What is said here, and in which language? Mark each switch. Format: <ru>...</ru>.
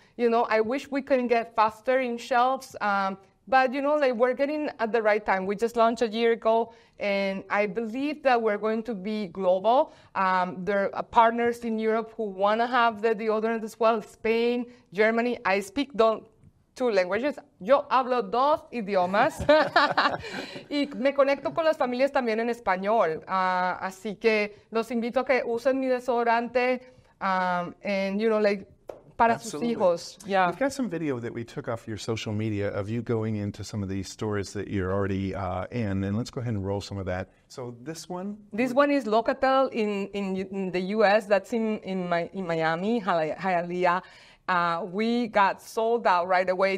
<en>You know, I wish we could get faster in shelves. But, you know, like, we're getting at the right time. We just launched a year ago, and I believe that we're going to be global. There are partners in Europe who want to have the deodorant as well, Spain, Germany. I speak two languages.</en> <es>Yo hablo dos idiomas. Y me conecto con las familias también en español. Así que los invito a que usen mi desodorante.</es> <en>And, you know, like,</en> <es>para sus hijos.</es> <en>Yeah. We've got some video that we took off your social media of you going into some of these stores that you're already in. And let's go ahead and roll some of that. So this one? This one is Locatel in the U.S. That's in Miami, Hialeah. We got sold out right away.</en>